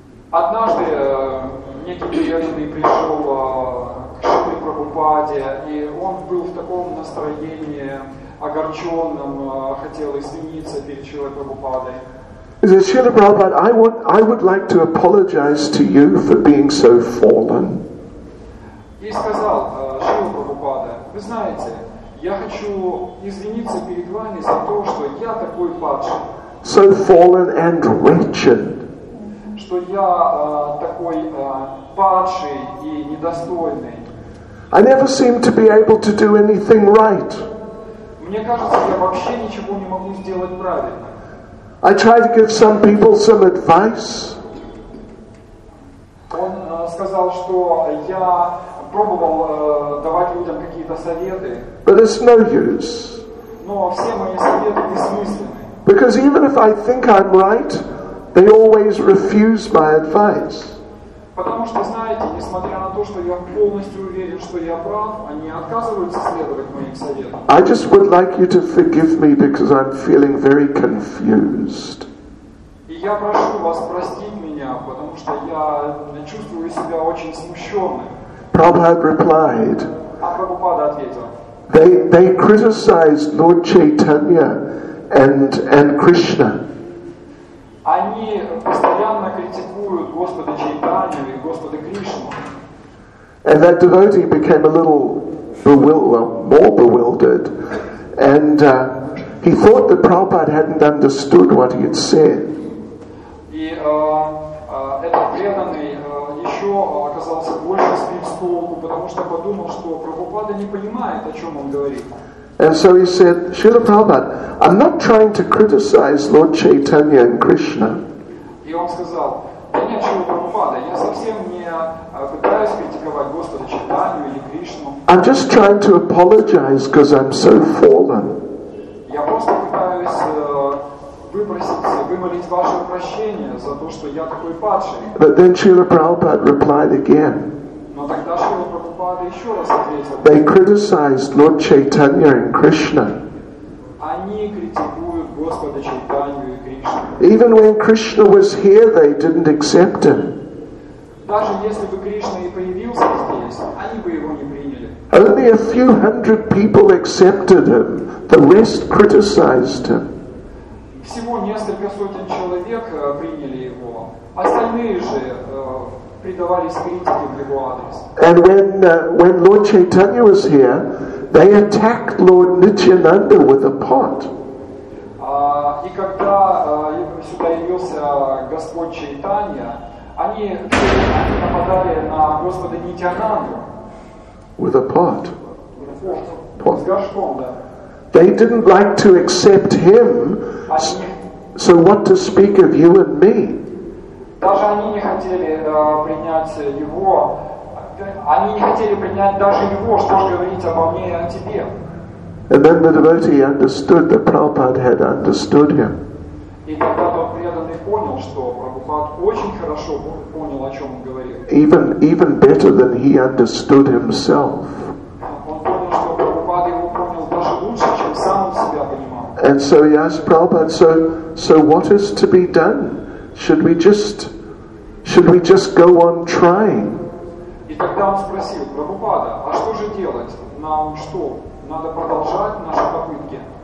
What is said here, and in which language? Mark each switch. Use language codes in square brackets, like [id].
[ru] Однажды некий преданный пришел к Шри Прабхупаде, и он был в таком настроении огорченном, хотел извиниться перед Шри Прабхупадой. [en] He said, Srila Prabhupada, I would like to apologize to you for being so fallen. [ru] И сказал Шрила Прабхупада, вы знаете, я хочу извиниться перед вами за то, что я такой падший. [en] So fallen and wretched. [ru] Что я такой падший и недостойный. [en] I never seem to be able to do anything right. [ru] Мне кажется, я вообще ничего не могу сделать правильно. [en] I try to give some people some advice. [ru] Он сказал, что я пробовал давать людям какие-то советы. [en] But it's no use. [ru] Но все мои советы бессмысленны. [en] Because even if I think I'm right, they always refuse my advice. [ru] Потому что, знаете, несмотря на то, что я полностью уверен, что я прав, они отказываются следовать моим советам. [en] I just would like you to forgive me because I'm feeling very confused. [ru] И я прошу вас простить меня, потому что я чувствую себя очень смущенным. [en] Prabhupada replied. [ru] А Прабхупада ответил. [en] They criticized Lord Chaitanya and Krishna. [ru] Они постоянно критикуют Господа Чайтанью и Господа Кришну. [en] And that devotee became a little more bewildered. And he thought that Prabhupada hadn't understood what he had said. [ru] И этот преданный еще оказался больше сбит с толку, потому что подумал, что Прабхупада не понимает, о чем он говорит. [en] And so he said, Srila Prabhupada, I'm not trying to criticize Lord Chaitanya and Krishna. [ru] И он сказал, да нет, Шрила Прабхупада, я совсем не пытаюсь критиковать Господа Чайтанью или Кришну. [en] I'm just trying to apologize because I'm so fallen. [ru] Я просто пытаюсь выпроситься, вымолить ваше прощение за то, что я такой падший. [en] But then Srila Prabhupada replied again. [ru] Но тогда Шрила Прабхупада еще раз ответил. [en] They criticized Lord Chaitanya and Krishna. [ru] Они критикуют Господа Чайтанью и Кришну. [en] Even when Krishna was here, they didn't accept him. [ru] Даже если бы Кришна и появился здесь, они бы его не приняли. [en] Only a few hundred people accepted him. The rest criticized him. [ru] Всего несколько сотен человек приняли его. Остальные же [en] And when Lord Chaitanya was here, they attacked Lord Nityananda with a pot. [ru] И когда сюда явился Господь Чайтанья, они нападали на Господа Нитянанду. [en] With a pot. [ru] Pot. С горшком, да. [en] They didn't like to accept him, so what to speak of you and me? [ru] Даже они не хотели принять его. Они не хотели принять даже его, что же говорить обо мне и о тебе. [en] And then the devotee understood that Prabhupada had understood him. [ru] И тогда тот преданный понял, что Прабхупад очень хорошо понял, о чем он говорил. [en] Even better than he understood himself. [ru] Он понял, что Прабхупад его понял даже лучше, чем сам он себя понимал. [en] And so he asked Prabhupada, so what is to be done? Should we just go on trying? [ru] И тогда он спросил, Прабхупада, а что же делать? Нам что? Надо продолжать наши попытки?